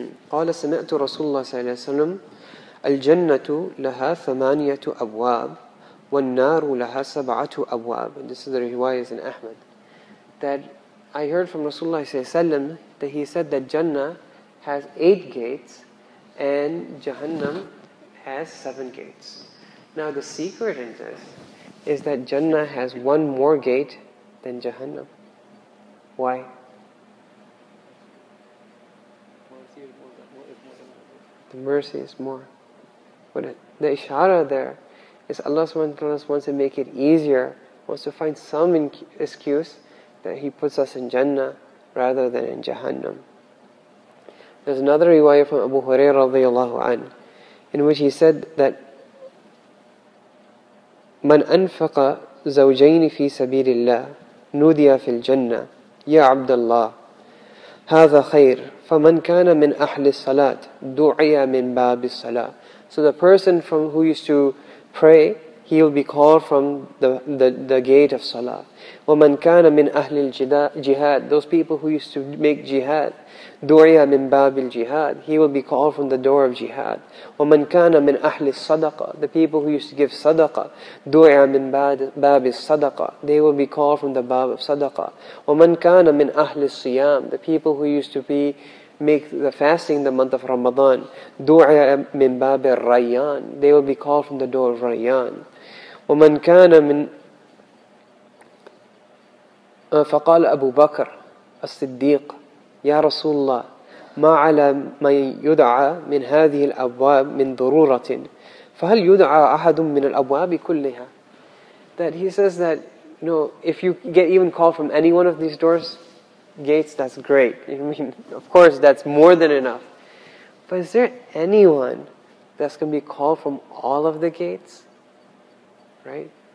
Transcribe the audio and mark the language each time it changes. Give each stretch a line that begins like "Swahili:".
Arabic: قال سمعت رسول الله صلى الله عليه وسلم الجنة لها ثمانية أبواب والنار لها سبعة أبواب.
English: And this is the riwayah in Ahmad, that I heard from Rasulullah
Arabic: صلى الله عليه وسلم
English: that he said that Jannah has 8 gates and Jahannam has 7 gates. Now the secret in this is that Jannah has one more gate than Jahannam. Why? The mercy is more. But the ishara there is Allah subhanahu wa ta'ala wants to make it easier, wants to find some excuse that He puts us in Jannah rather than in Jahannam. There's another riwayah from Abu Hurairah radiallahu an, in which he said that
Arabic: من أنفق زوجين في سبيل الله نودي في الجنة يا عبد الله هذا خير فمن كان من أهل الصلاة دعيا من باب الصلاة.
English: So the person from who used to pray, he will be called from the gate of salah.
Arabic: وَمَنْ كَانَ مِنْ أَهْلِ الْجِهَادِ,
English: those people who used to make jihad,
Arabic: دُعِيَ مِنْ بَابِ الْجِهَادِ,
English: he will be called from the door of jihad.
Arabic: وَمَنْ كَانَ مِنْ أَهْلِ الصَّدَقَةِ,
English: the people who used to give sadaqah,
Arabic: دُعِيَ مِنْ بَابِ الصَّدَقَةِ,
English: they will be called from the bab of sadaqah.
Arabic: وَمَنْ كَانَ مِنْ أَهْلِ الصِّيَامِ,
English: the people who used to be make the fasting the month of Ramadan,
Arabic: دُعِيَ مِنْ بَابِ الرَّيَّانِ,
English: they will be called from the door of Rayyan.
Arabic: وَمَنْ كَانَ مِنْ فقال أبو بكر الصديق يا رسول الله ما على من يدعى من هذه الأبواب من ضرورة فهل يدعى أحد من الأبواب كلها.
English: That he says that, you know, if you get even called from any one of these doors, gates, that's great. I mean, of course, that's more than enough. But is there anyone that's going to be called from all of the gates? Right?